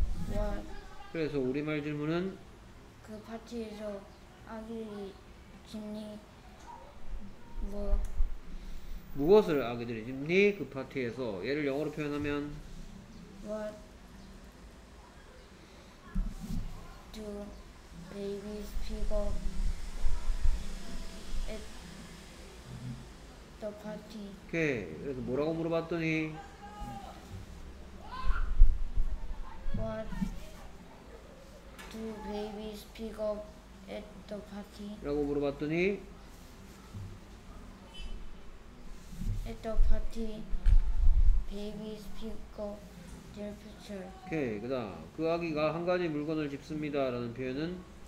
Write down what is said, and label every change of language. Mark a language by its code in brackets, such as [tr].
[en] what? [ko] 그래서 우리말 질문은 그 파티에서 아기들이 짓니 뭐 무엇을 아기들이 짓니 그 파티에서 얘를 영어로 표현하면 [en] what do babies pick up at the party. [ko] 오케이. 그래서 뭐라고 물어봤더니 [en] what do babies pick up at the party [ko] 라고 물어봤더니 [en] at the party babies pick up their future. [ko] 오케이. 그다음 그 아기가 한 가지 물건을 집습니다 라는 표현은